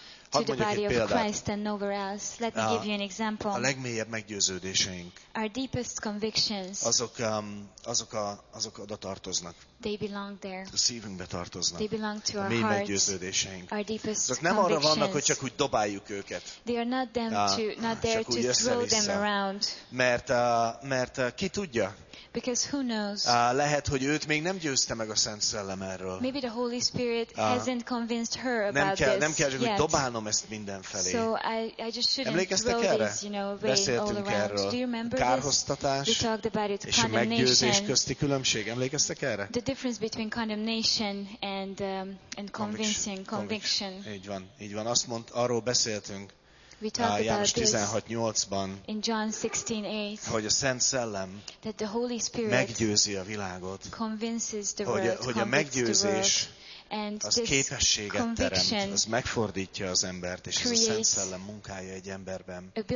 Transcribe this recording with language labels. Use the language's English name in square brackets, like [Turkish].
[Hungarian] Hadd mondjak egy példát. [English] Let me give you an example. [Hungarian] A legmélyebb meggyőződéseink, [English] our deepest convictions, [Hungarian] azok oda tartoznak. [English] They belong there. [Hungarian] A szívünkbe tartoznak. [English] They belong to [Hungarian] a mély meggyőződéseink. [English] Our deepest [Hungarian] azok nem arra vannak, hogy csak úgy dobáljuk őket. [English] They are not them to, not there to throw them around. [Hungarian] Mert ki tudja? [English] Because who knows? [Hungarian] Lehet, hogy őt még nem győzte meg a Szent Szellem erről. [English] Maybe the Holy Spirit hasn't convinced her about [Hungarian] nem kell, [English] this. [Hungarian] Nem kell, csak, hogy dobálnom ezt mindenfelé. [English] So I just shouldn't throw this, you know, way all around. [Hungarian] Kárhoztatás és a meggyőzés közti különbség. Emlékeztek erre? [English] The difference between condemnation and convincing, conviction. [Hungarian] Így van. Azt mondt, arról beszéltünk. János 16:8-ban, hogy a Szent Szellem meggyőzi a világot, hogy a meggyőzés az képességet teremt, az megfordítja az embert, és ez a Szent Szellem munkája egy emberben.